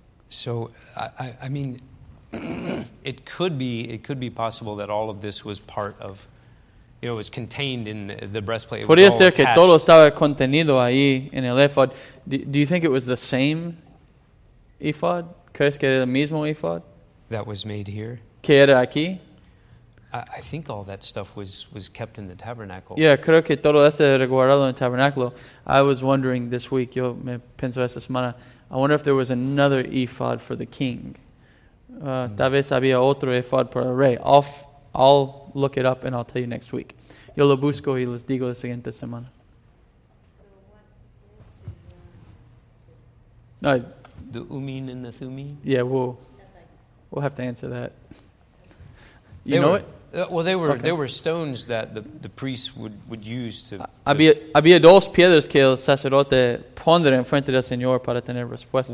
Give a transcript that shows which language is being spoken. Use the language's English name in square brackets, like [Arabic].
[English] So, I mean, it could be possible that all of this was part of, you know, it was contained in the breastplate. [Spanish] Podría ser que todo estaba contenido ahí en el ephod. [English] Do you think it was the same ephod? [Spanish] ¿Crees que era el mismo ephod? [English] That was made here. [Spanish] ¿Que era aquí? [English] I think all that stuff was kept in the tabernacle. [Spanish] Yeah, creo que todo eso era guardado en el tabernáculo. [English] I was wondering this week, [Spanish] yo me pensé esta semana, [English] I wonder if there was another ephod for the king. [Spanish] Tal vez había otro ephod para el rey. [English] I'll look it up and I'll tell you next week. [Spanish] Yo lo busco y les digo la siguiente semana. No. [English] The Ummim and the Thummim? Yeah, we'll have to answer that. You know it? There were stones that the priests would use to. [Spanish] Había dos piedras que el sacerdote pondría en frente del Señor para tener respuesta.